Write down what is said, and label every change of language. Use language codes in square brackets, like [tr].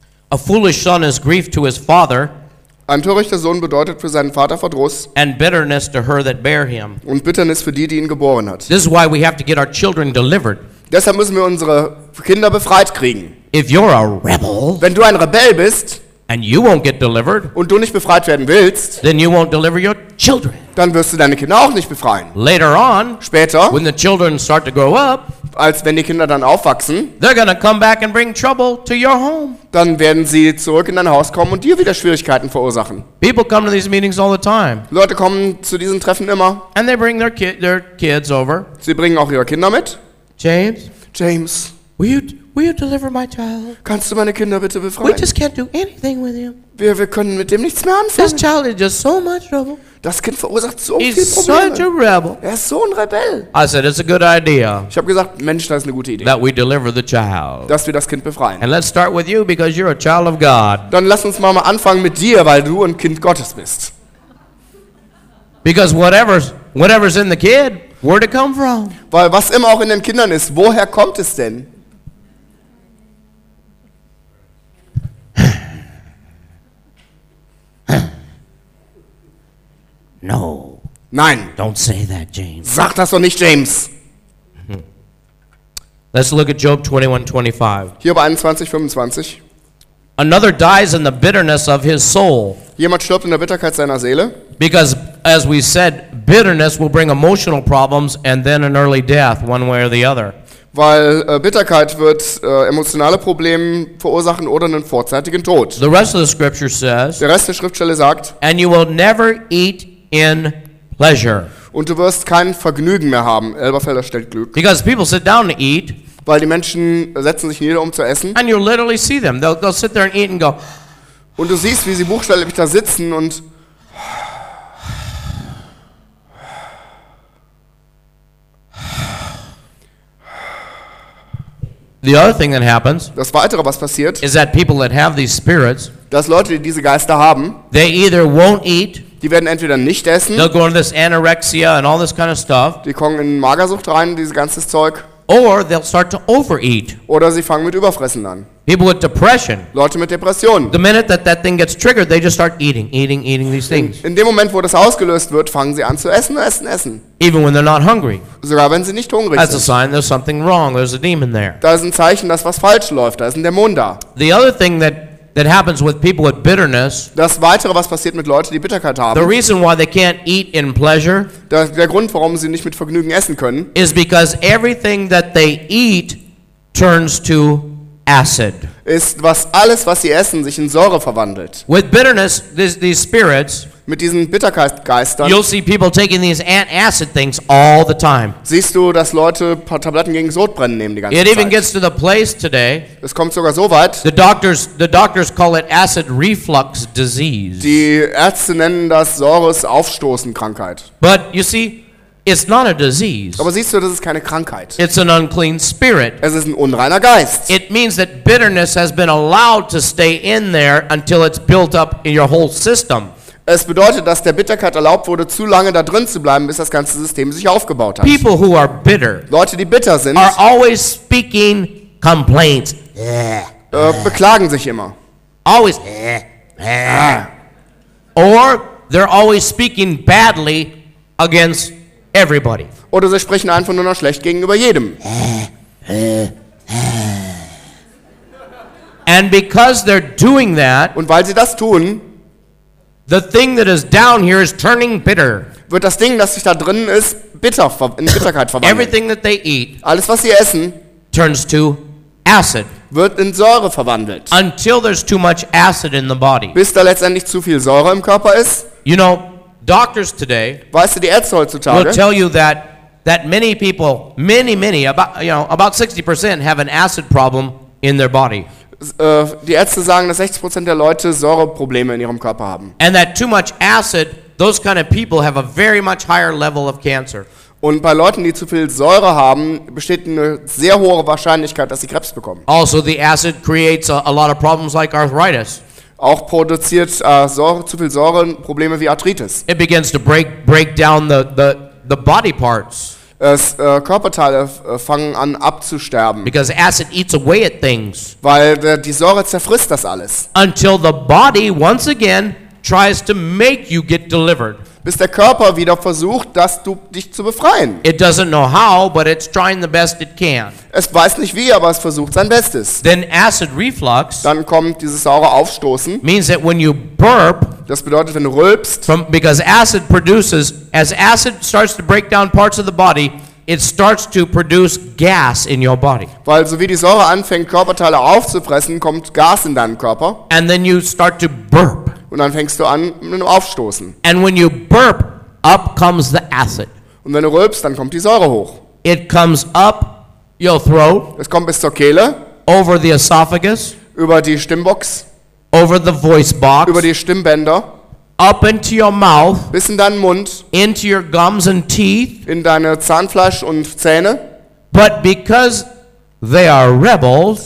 [en] A foolish son is grief to his father. [de] Ein törichter Sohn bedeutet für seinen Vater Verdruss. [en] And bitterness to her that bare him. [de] Und Bitternis für die, die ihn geboren hat. [en] This is why we have to get our children delivered. [de] Deshalb müssen wir unsere Kinder befreit kriegen. [en] If you're a rebel, [de] wenn du ein Rebell bist, [en] and you won't get delivered, [de] und du nicht befreit werden willst, [en] then you won't deliver your children. [de] Dann wirst du deine Kinder auch nicht befreien. [en] Later on, [de] später, [en] when the children start to grow up, [de] als wenn die Kinder dann aufwachsen, [en] they're gonna come back and bring trouble to your home. [de] Dann werden sie zurück in dein Haus kommen und dir wieder Schwierigkeiten verursachen. [en] People come to these meetings all the time. [de] Leute kommen zu diesen Treffen immer. [en] And they bring their kids over. [de] Sie bringen auch ihre Kinder mit. James. [en] Will you deliver my child? [de] Kannst du meine Kinder bitte befreien? [en] We just can't do anything with him. [de] Wir können mit dem nichts mehr anfangen. [en] This child is just so much trouble. [de] Das Kind verursacht so [en] He's [de] viel Probleme. [en] Such a rebel. [de] Er ist so ein Rebell. [en] I said, it's a good idea. [de] Ich habe gesagt, Mensch, das ist eine gute Idee. [en] That we deliver the child. [de] Dass wir das Kind befreien. [en] And let's start with you because you're a child of God. [de] Dann lass uns mal anfangen mit dir, weil du ein Kind Gottes bist. [en] Because whatever's in the kid, where'd it come from? [de] Weil was immer auch in den Kindern ist, woher kommt es denn? [en] No. [de] Nein. [en] Don't say that, James. [de] Sag das doch nicht, James. [en] Let's look at Job 21:25. [de] Hiob 21:25. [en] Another dies in the bitterness of his soul. [de] Jemand stirbt in der Bitterkeit seiner Seele. [en] Because, as we said, bitterness will bring emotional problems and then an early death, one way or the other. [de] Weil Bitterkeit wird emotionale Probleme verursachen oder einen vorzeitigen Tod. [en] The rest of the scripture says. [de] Der Rest der Schriftstelle sagt. [en] And you will never eat in pleasure. [de] Und du wirst kein Vergnügen mehr haben. Elberfelder stellt Glück. [en] Because people sit down to eat. [de] Weil die Menschen setzen sich nieder, um zu essen. [en] And you literally see them. They'll sit there and eat and go. [de] Und du siehst, wie sie buchstäblich da sitzen und. [en] The other thing that happens, [de] das Weitere, was passiert, [en] is that people that have these spirits, [de] dass Leute, die diese Geister haben, [en] they either won't eat, [de] die werden entweder nicht essen, [en] they'll go into this anorexia and all this kind of stuff, [de] die kommen in Magersucht rein, dieses ganze Zeug, [en] Or they'll start to overeat. [de] Oder sie fangen mit Überfressen an. [en] People with depression. [de] Leute mit Depressionen. [en] The minute that thing gets triggered, they just start eating these things. [de] In dem Moment, wo das ausgelöst wird, fangen sie an zu essen. [en] Even when they're not hungry. [de] Sogar wenn sie nicht hungrig sind. [en] That's a sign there's something wrong. There's a demon there. [de] Da ist ein Zeichen, dass was falsch läuft. Da ist ein Dämon da. [en] The other thing that happens with people with bitterness. [de] Das Weitere, was passiert mit Leuten, die Bitterkeit haben. [en] The reason why they can't eat in pleasure. [de] Der Grund, warum sie nicht mit Vergnügen essen können. [en] Is because everything that they eat turns to acid. [de] Ist, was alles, was sie essen, sich in Säure verwandelt. [en] With bitterness, these spirits. [de] Mit diesen Bitterkeitsgeistern. [en] You'll see people taking these antacid things all the time. [de] Siehst du, dass Leute Tabletten gegen Sodbrennen nehmen die ganze Zeit? [en] It even gets to the place today. [de] Es kommt sogar so weit. [en] The doctors call it acid reflux disease. [de] Die Ärzte nennen das Säuresaufstoßenkrankheit. [en] But you see, it's not a disease. [de] Aber siehst du, das ist keine Krankheit. [en] It's an unclean spirit. [de] Es ist ein unreiner Geist. [en] It means that bitterness has been allowed to stay in there until it's built up in your whole system. [de] Es bedeutet, dass der Bitterkeit erlaubt wurde, zu lange da drin zu bleiben, bis das ganze System sich aufgebaut hat. [en] People who are bitter, [de] Leute, die bitter sind, [en] are always speaking complaints. [de] Beklagen sich immer. [en] Always. Or they're always speaking badly against everybody. [de] Oder sie sprechen einfach nur noch schlecht gegenüber jedem. [en] And because they're doing that, [de] und weil sie das tun, [en] the thing that is down here is turning bitter. [de] Wird das Ding, das sich da drinnen ist, in Bitterkeit verwandelt. [en] Everything that they eat, [de] alles was sie essen, [en] turns to acid. [de] Wird in Säure verwandelt. [en] Until there's too much acid in the body. [de] Bis da letztendlich zu viel Säure im Körper ist. [en] You know, doctors today, [de] weißt du, die Ärzte heutzutage, [en] will tell you that many people, many about 60% have an acid problem in their body. [de] Die Ärzte sagen, dass 60% der Leute Säureprobleme in ihrem Körper haben. [en] And that too much acid, those kind of people have a very much higher level of cancer. [de] Und bei Leuten, die zu viel Säure haben, besteht eine sehr hohe Wahrscheinlichkeit, dass sie Krebs bekommen. [en] Also the acid creates a lot of problems like arthritis. [de] Auch produziert zu viel Säure Probleme wie Arthritis. [en] It begins to break down the body parts. [de] Körperteile fangen an abzusterben. [en] Because acid eats away at things. [de] Weil die Säure zerfrisst das alles. [en] Until the body once again tries to make you get delivered. [de] Bis der Körper wieder versucht, dass du dich zu befreien. [en] It doesn't know how, but it's trying the best it can. [de] Es weiß nicht wie, aber es versucht sein Bestes. [en] Then acid reflux. [de] Dann kommt dieses saure Aufstoßen. [en] Means that when you burp. [de] Das bedeutet, wenn du rülpst. [en] Because acid produces, as acid starts to break down parts of the body, it starts to produce gas in your body. [de] Weil so wie die Säure anfängt, Körperteile aufzufressen, kommt Gas in deinen Körper. [en] And then you start to burp. [de] Und dann fängst du an mit einem Aufstoßen. [en] And when you burp, up comes the acid. [de] Und wenn du rülpst, dann kommt die Säure hoch. [en] It comes up your throat. [de] Es kommt bis zur Kehle. [en] Over the esophagus. [de] Über die Stimmbox. [en] Over the voice box. [de] Über die Stimmbänder. [en] Up into your mouth. [de] Bis in deinen Mund. [en] Into your gums and teeth. [de] In deine Zahnfleisch und Zähne. [en] But because they are rebels.